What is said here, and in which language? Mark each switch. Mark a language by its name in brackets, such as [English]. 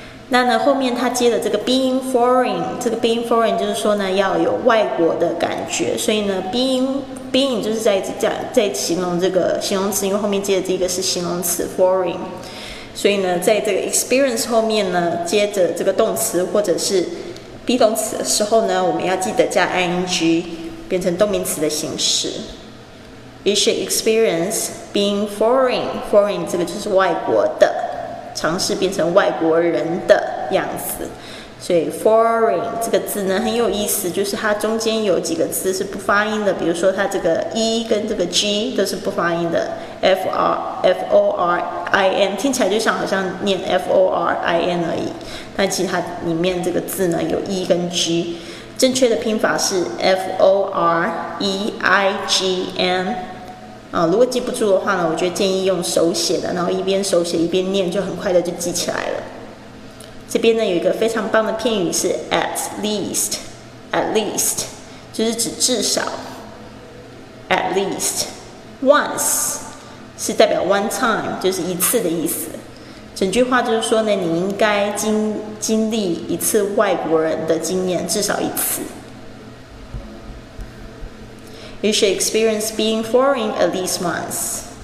[Chinese] 那呢，后面它接的这个 being foreign， 这个 being foreign 就是说呢要有外国的感觉，所以呢 being 就是 在形容这个形容词，因为后面接的这个是形容词 foreign， 所以呢在这个 experience 后面呢接着这个动词或者是 be 动词的时候呢，我们要记得加 ing 变成动名词的形式。 [English] You should experience being foreign. [Chinese] Foreign 这个就是外国的，尝试变成外国人的样子。所以 foreign 这个字呢很有意思，就是它中间有几个字是不发音的，比如说它这个 E 跟这个 G 都是不发音的， F-O-R-I-N 听起来就像好像念 F-O-R-I-N 而已，但其实它里面这个字呢有 E 跟 G。正确的拼法是 foreign、如果记不住的话呢，我觉得建议用手写的，然后一边手写一边念，就很快的就记起来了。这边呢有一个非常棒的片语是 at least 就是指至少。 at least once 是代表 one time， 就是一次的意思。整句话就是说呢，你应该经历一次外国人的经验，至少一次。 [English] You should experience being foreign at least once.